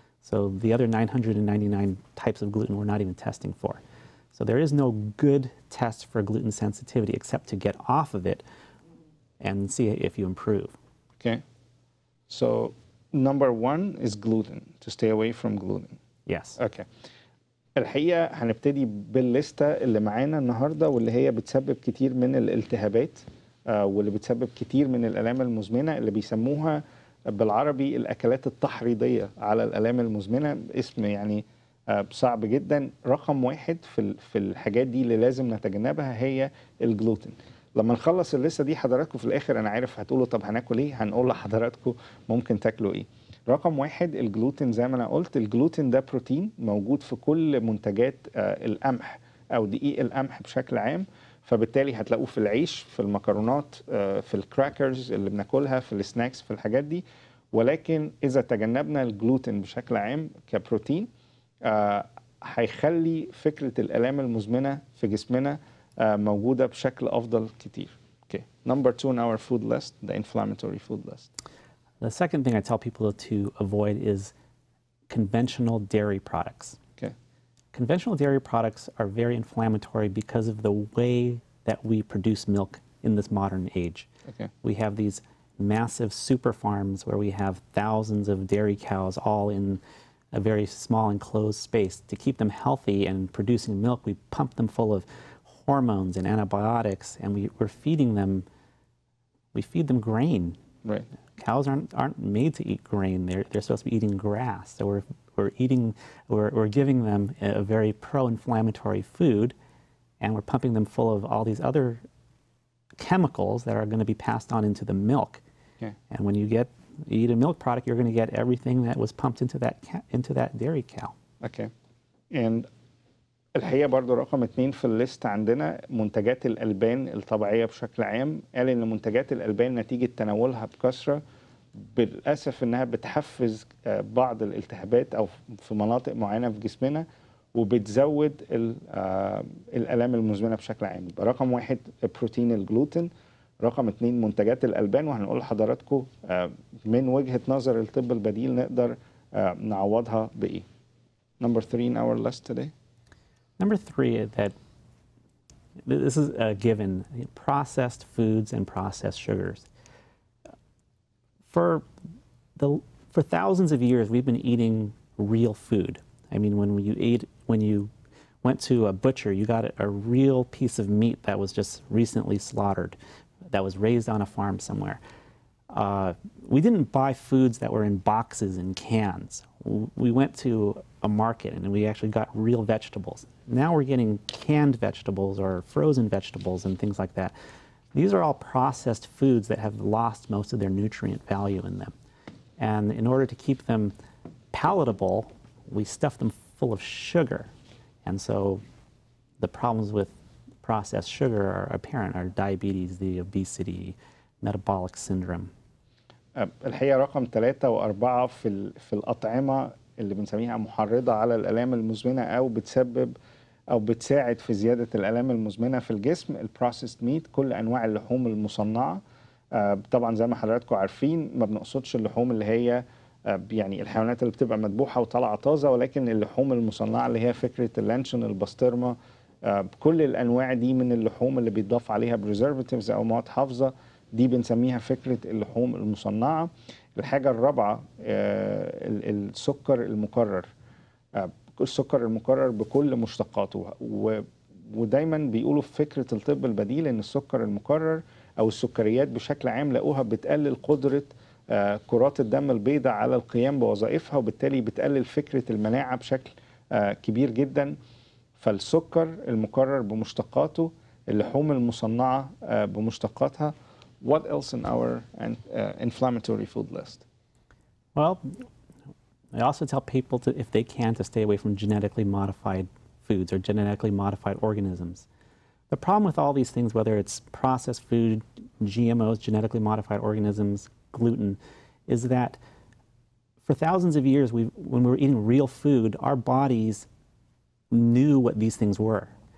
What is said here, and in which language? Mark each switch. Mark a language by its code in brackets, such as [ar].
[en] So the other 999 types of gluten we're not even testing for. So there is no good test for gluten sensitivity except to get off of it. and see if you improve. Okay. So number one is gluten, to stay away from gluten. Yes. Okay. [ar] الحقيقة هنبتدي بالليستة اللي معانا النهاردة واللي هي بتسبب كتير من الالتهابات واللي بتسبب كتير من الألام المزمنة اللي بيسموها بالعربي الأكلات التحريضية على الألام المزمنة. اسم يعني صعب جدا. رقم واحد في الحاجات دي اللي لازم نتجنبها هي الجلوتين. لما نخلص الليستة دي حضراتكم في الآخر أنا عارف هتقولوا طب هناكل إيه، هنقول لحضراتكم ممكن تاكلوا إيه. رقم واحد الجلوتين، زي ما أنا قلت الجلوتين ده بروتين موجود في كل منتجات القمح أو دقيق القمح بشكل عام، فبالتالي هتلاقوه في العيش، في المكرونات، في الكراكرز اللي بناكلها، في السناكس، في الحاجات دي. ولكن إذا تجنبنا الجلوتين بشكل عام كبروتين هيخلي فكرة الألام المزمنة في جسمنا موجودة بشكل أفضل كتير. [en] Okay. Number two on our food list, the inflammatory food list. The second thing I tell people to avoid is conventional dairy products. Okay. Conventional dairy products are very inflammatory because of the way that we produce milk in this modern age. Okay. We have these massive super farms where we have thousands of dairy cows all in a very small enclosed space. To keep them healthy and producing milk, we pump them full of hormones and antibiotics, and we feed them grain. Right. Cows aren't made to eat grain. They're supposed to be eating grass. So we're giving them a very pro-inflammatory food, and we're pumping them full of all these other chemicals that are going to be passed on into the milk. Okay. And when you eat a milk product, you're going to get everything that was pumped into that dairy cow. Okay. And [ar] الحقيقة برضو رقم اثنين في الليست عندنا منتجات الألبان الطبيعية بشكل عام. قال إن منتجات الألبان نتيجة تناولها بكثرة بالأسف إنها بتحفز بعض الالتهابات أو في مناطق معينة في جسمنا وبتزود الألام المزمنة بشكل عام. رقم واحد بروتين الجلوتين، رقم اثنين منتجات الألبان، وهنقول لحضراتكم من وجهة نظر الطب البديل نقدر نعوضها بإيه. [en] Number three in our list today. Number three, that this is a given, processed foods and processed sugars. For thousands of years, we've been eating real food. I mean, when you went to a butcher, you got a real piece of meat that was just recently slaughtered, that was raised on a farm somewhere. We didn't buy foods that were in boxes and cans. We went to a market and we actually got real vegetables. Now we're getting canned vegetables or frozen vegetables and things like that. These are all processed foods that have lost most of their nutrient value in them. And in order to keep them palatable, we stuff them full of sugar. And so the problems with processed sugar are apparent, are diabetes, the obesity, metabolic syndrome. [ar] الحقيقة رقم ثلاثة وأربعة في الأطعمة اللي بنسميها محرضة على الألام المزمنة أو بتساعد في زيادة الألام المزمنة في الجسم، البروسيسد ميت، كل أنواع اللحوم المصنعة. طبعا زي ما حضراتكم عارفين ما بنقصدش اللحوم اللي هي يعني الحيوانات اللي بتبقى مدبوحة وطالعة طازة، ولكن اللحوم المصنعة اللي هي فكرة اللانشون، الباسترما، كل الأنواع دي من اللحوم اللي بيضاف عليها بريزرفاتيفز أو مواد حافظة، دي بنسميها فكرة اللحوم المصنعة. الحاجة الرابعة السكر المكرر، السكر المكرر بكل مشتقاته. ودايما بيقولوا في فكرة الطب البديل ان السكر المكرر او السكريات بشكل عام لقوها بتقلل قدرة كرات الدم البيضاء على القيام بوظائفها، وبالتالي بتقلل فكرة المناعة بشكل كبير جدا. فالسكر المكرر بمشتقاته، اللحوم المصنعة بمشتقاتها. [en] What else in our inflammatory food list? Well, I also tell people to, if they can, to stay away from genetically modified foods or genetically modified organisms. The problem with all these things, whether it's processed food, GMOs, genetically modified organisms, gluten, is that for thousands of years, when we were eating real food, our bodies knew what these things were.